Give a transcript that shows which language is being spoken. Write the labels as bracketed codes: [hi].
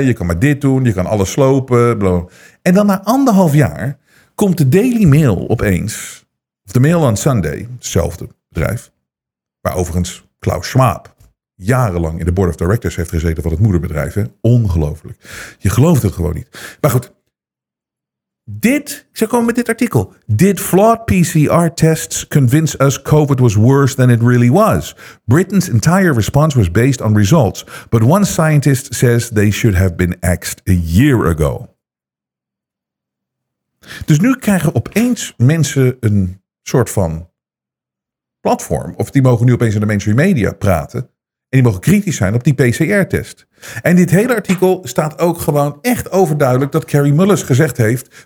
[nl] Je kan maar dit doen. Je kan alles slopen. Blablabla. En dan na 1,5 jaar komt de Daily Mail opeens... Of de Mail on Sunday, hetzelfde bedrijf, waar overigens Klaus Schwab jarenlang in de board of directors heeft gezeten van het moederbedrijf. Hè? Ongelooflijk. Je gelooft het gewoon niet. Maar goed, ze komen met dit artikel. [en] Did flawed PCR tests convince us COVID was worse than it really was? Britain's entire response was based on results. But one scientist says they should have been axed a year ago. [nl] Dus nu krijgen opeens mensen een... soort van platform. Of die mogen nu opeens in de mainstream media praten. En die mogen kritisch zijn op die PCR-test. En dit hele artikel staat ook gewoon echt overduidelijk... dat Carrie Mullis gezegd heeft...